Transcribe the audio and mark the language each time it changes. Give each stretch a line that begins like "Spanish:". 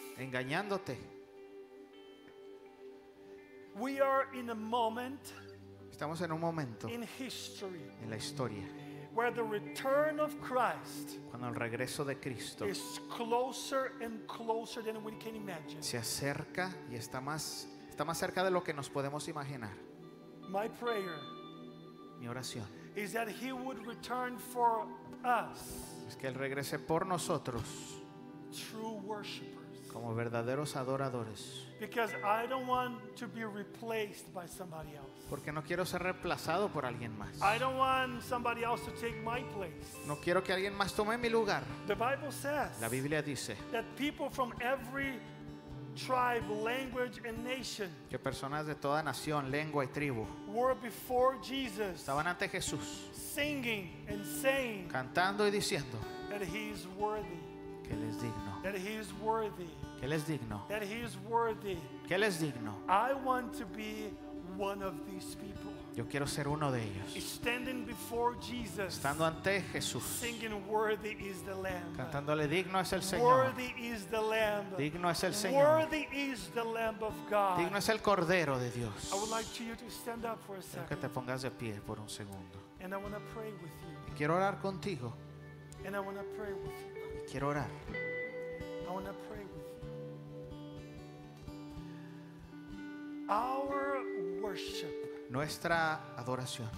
Spanish: Engañándote.
English: We are in a moment.
Spanish: Estamos en un momento.
English: In history.
Spanish: En la historia.
English: Where the return of Christ.
Spanish: Cuando el regreso de Cristo.
English: Is closer and closer than we can imagine.
Spanish: Se acerca y está más cerca de lo que nos podemos imaginar.
English: My prayer.
Spanish: Mi oración.
English: Is that He would return for us.
Spanish: Es que él regrese por nosotros.
English: True worshipers.
Spanish: Como verdaderos adoradores.
English: Because I don't want to be replaced by somebody else.
Spanish: Porque no quiero ser reemplazado por alguien más.
English: I don't want somebody else to take my place.
Spanish: No quiero que alguien más tome mi lugar.
English: The Bible says.
Spanish: La Biblia dice.
English: That people from every tribe, language, and nation.
Spanish: Que personas de toda nación, lengua y tribu.
English: Were before Jesus.
Spanish: Estaban ante Jesús.
English: Singing and saying.
Spanish: Cantando y diciendo.
English: That He is worthy.
Spanish: Que él es digno.
English: That He is worthy.
Spanish: Que él es digno.
English: That He is worthy.
Spanish: Que él es digno.
English: I want to be one of these people.
Spanish: Yo quiero ser uno de ellos.
English: Standing before Jesus.
Spanish: Estando ante Jesús.
English: Singing, worthy is the Lamb.
Spanish: Cantándole, digno es el Señor.
English: Worthy is the Lamb.
Spanish: Digno es el Señor.
English: Worthy is the Lamb of God.
Spanish: Digno es el Cordero de Dios.
English: I would like you to stand up for a second.
Spanish: Que te pongas de pie por un segundo.
English: And I want to pray with you.
Spanish: Y quiero orar contigo.
English: And I want to pray with you.
Spanish: Quiero orar.
English: I want to pray with you. Our worship.
Spanish: Nuestra adoración.